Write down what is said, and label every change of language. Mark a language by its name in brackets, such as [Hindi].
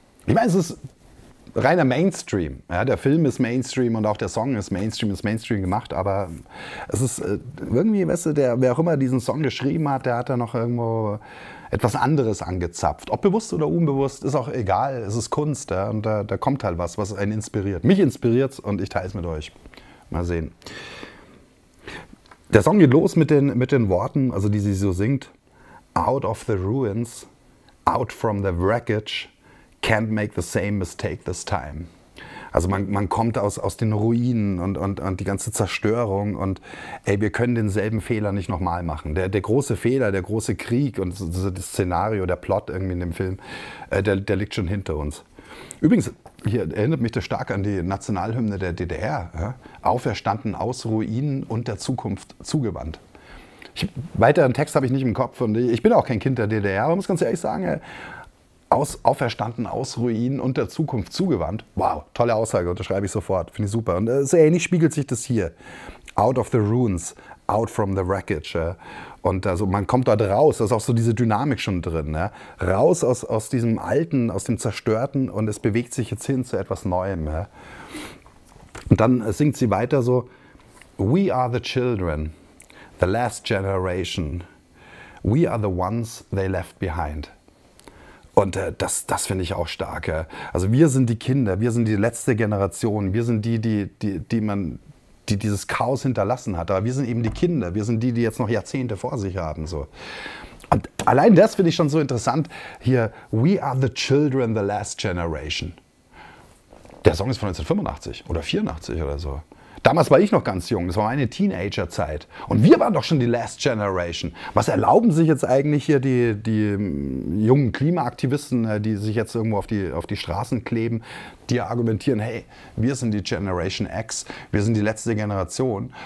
[German] Ich meine, es ist reiner Mainstream. Ja, der Film ist Mainstream und auch der Song ist Mainstream gemacht, aber es ist irgendwie, weißt du, wer auch immer diesen Song geschrieben hat, der hat da noch irgendwo etwas anderes angezapft. Ob bewusst oder unbewusst, ist auch egal. Es ist Kunst, ja, und da kommt halt was einen inspiriert. Mich inspiriert's und ich teile es mit euch. Mal sehen. Der Song geht los mit den Worten, also die sie so singt. [English] Out of the ruins, out from the wreckage, can't make the same mistake this time. [German] Also man kommt aus den Ruinen und die ganze Zerstörung und ey, wir können denselben Fehler nicht nochmal machen. Der große Fehler, der große Krieg und das Szenario, der Plot irgendwie in dem Film, der liegt schon hinter uns. Übrigens, hier erinnert mich das stark an die Nationalhymne der DDR. Ja? Auferstanden aus Ruinen und der Zukunft zugewandt. Weiteren Text habe ich nicht im Kopf und ich bin auch kein Kind der DDR, aber muss ganz ehrlich sagen, auferstanden aus Ruinen und der Zukunft zugewandt. Wow, tolle Aussage, unterschreibe ich sofort, finde ich super. Und so ähnlich spiegelt sich das hier. [English] Out of the ruins, out from the wreckage. [German] Und also man kommt dort raus, da ist auch so diese Dynamik schon drin. Ne? Raus aus diesem Alten, aus dem Zerstörten und es bewegt sich jetzt hin zu etwas Neuem. Ne? Und dann singt sie weiter so, [English] we are the children, the last generation. We are the ones they left behind. [German] Und das finde ich auch stark. Ja? Also wir sind die Kinder, wir sind die letzte Generation, wir sind die dieses Chaos hinterlassen hat. Aber wir sind eben die Kinder, wir sind die jetzt noch Jahrzehnte vor sich haben. So. Und allein das finde ich schon so interessant. [English] Hier, we are the children, the last generation. [German] Der Song ist von 1985 oder 84 oder so. Damals war ich noch ganz jung, das war meine Teenagerzeit. Und wir waren doch schon die [English] last generation. [German] Was erlauben sich jetzt eigentlich hier die jungen Klimaaktivisten, die sich jetzt irgendwo auf die Straßen kleben, die argumentieren, hey, wir sind die Generation X, wir sind die letzte Generation.